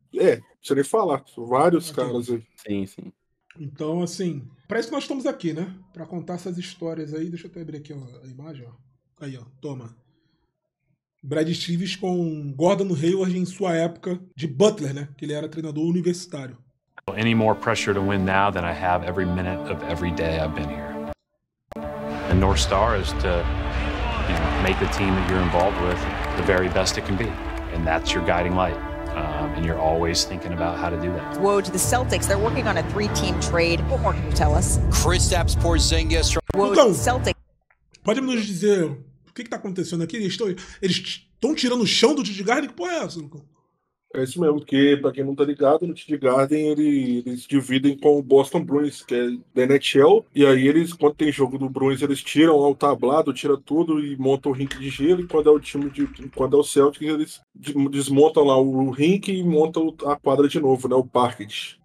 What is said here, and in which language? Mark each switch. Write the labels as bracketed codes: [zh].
[pt] É, precisa nem falar. Vários caras aí. Sim, sim. Então, assim, pra isso que nós estamos aqui, né? Pra contar essas histórias aí. Deixa eu até abrir aqui a imagem, ó. Aí, ó, toma. Brad Stevens com Gordon Hayward em sua época de Butler, né? Que ele era treinador universitário. [en] Any more pressure to win now than I have every minute of every day I've been here. And North Star is to, you know, make the team that you're involved with the very best it can be. And that's your guiding light. And you're always thinking about how to do that. Woj to the Celtics. They're working on a three-team trade. What more can you tell us? Kristaps Porzingis. [pt] Então, Celtics. Pode nos dizer o que está acontecendo aqui? Eles estão tirando o chão do Didi Garden? Que porra é essa, Lucão? É isso mesmo, porque pra quem não tá ligado, no Teddy Garden eles dividem com o Boston Bruins, que é da NHL, e aí eles, quando tem jogo do Bruins, eles tiram o tablado, tiram tudo e montam o rink de gelo, e quando é o time de, quando é o Celtics, eles desmontam lá o rink e montam a quadra de novo, né, o parquet.